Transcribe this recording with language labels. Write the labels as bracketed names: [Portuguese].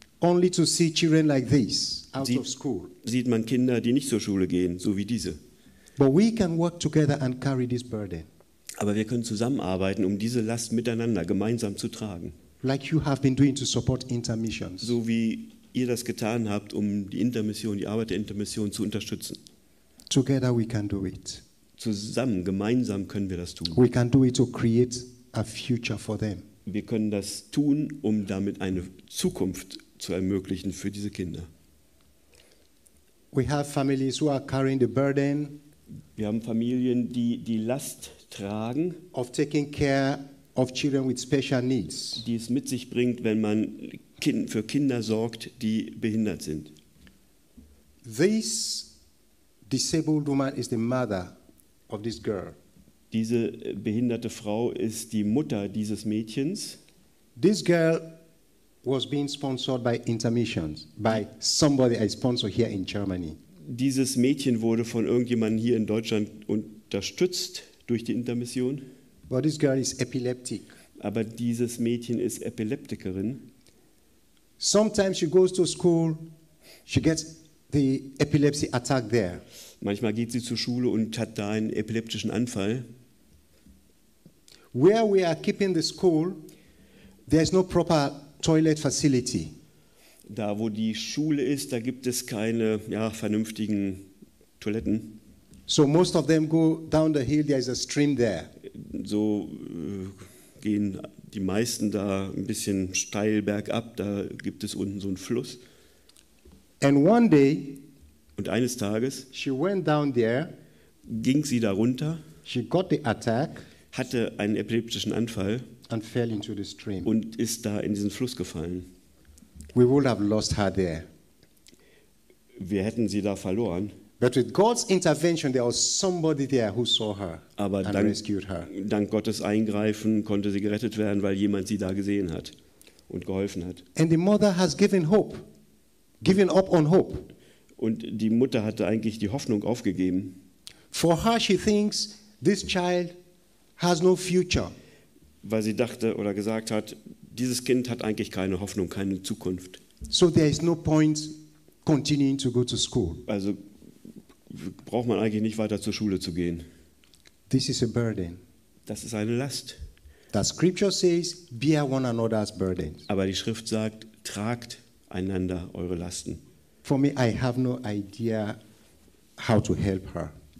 [English] only to see children like this out of school. [German] Sieht man Kinder, die nicht zur Schule gehen, so wie diese. [English] But we can work together and carry this burden. [German] Aber wir können zusammenarbeiten, um diese Last miteinander gemeinsam zu tragen. [English] Like you have been doing to support intermissions. [German] So wie ihr das getan habt, um die Intermission, die Arbeit der Intermission zu unterstützen. [English] Together we can do it. [German] Zusammen, gemeinsam können wir das tun. [English] We can do it to create a future for them. [German] Wir können das tun, um damit eine Zukunft zu ermöglichen für diese Kinder. [English] We have families who are carrying the burden. [German] Wir haben Familien, die die Last tragen. [English] Of taking care of children with special needs. [German] Die es mit sich bringt, wenn man für Kinder sorgt, die behindert sind. [English] This disabled woman is the mother of this girl. [German] Diese behinderte Frau ist die Mutter dieses Mädchens. [English] This girl was being sponsored by Intermissions, by somebody I sponsor here in Germany. [German] Dieses Mädchen wurde von irgendjemandem hier in Deutschland unterstützt durch die Intermission. [English] But this girl is epileptic. [German] Aber dieses Mädchen ist Epileptikerin. [English] Sometimes she goes to school, she gets the epilepsy attack there. [German] Manchmal geht sie zur Schule und hat da einen epileptischen Anfall. [English] Where we are keeping the school, there is no proper toilet facility. [German] Da, wo die Schule ist, da gibt es keine vernünftigen Toiletten. [English] So most of them go down the hill, there is a stream there. [German] So gehen die meisten da ein bisschen steil bergab, da gibt es unten so einen Fluss. [English] And one day, [German] und eines Tages, [English] she went down there, [German] ging sie da runter, [English] she got the attack, [German] hatte einen epileptischen Anfall [English] and fell into the stream. [German] Und ist da in diesen Fluss gefallen. [English] We would have lost her there. [German] Wir hätten sie da verloren. [English] But with God's intervention, there was somebody there who saw her and rescued her. [German] Dank Gottes Eingreifen konnte sie gerettet werden, weil jemand sie da gesehen hat und geholfen hat. [English] And the mother has given hope, given up on hope. [German] Und die Mutter hatte eigentlich die Hoffnung aufgegeben. [English] For her, she thinks this child has no future. [German] Weil sie dachte oder gesagt hat, dieses Kind hat eigentlich keine Hoffnung, keine Zukunft. [English] So there is no point continuing to go to school. [German] Also braucht man eigentlich nicht weiter zur Schule zu gehen. [English] This is a burden. [German] Das ist eine Last. [English] The scripture says, bear one another's burdens. [German] Aber die Schrift sagt, tragt einander eure Lasten. [English] For me, I have no idea how to help her.